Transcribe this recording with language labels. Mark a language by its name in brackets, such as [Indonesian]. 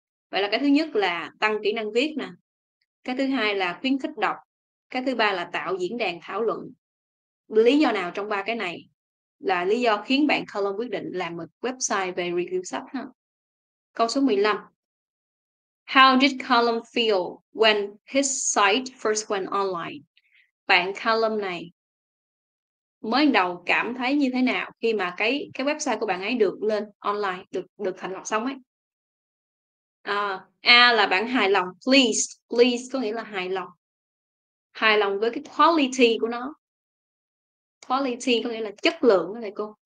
[Vietnamese] Vậy là cái thứ nhất là tăng kỹ năng viết nè. Cái thứ hai là khuyến khích đọc. Cái thứ ba là tạo diễn đàn thảo luận. Lý do nào trong ba cái này là lý do khiến bạn Column quyết định làm một website về review sách ha? Câu số 15. [English] How did Column feel when his site first went online? [Vietnamese] Bạn Column này mới đầu cảm thấy như thế nào khi mà cái website của bạn ấy được lên online, được thành lập xong ấy? A là bạn hài lòng, pleased có nghĩa là hài lòng. Hài lòng với cái quality của nó. Quality có nghĩa là chất lượng đó thầy cô.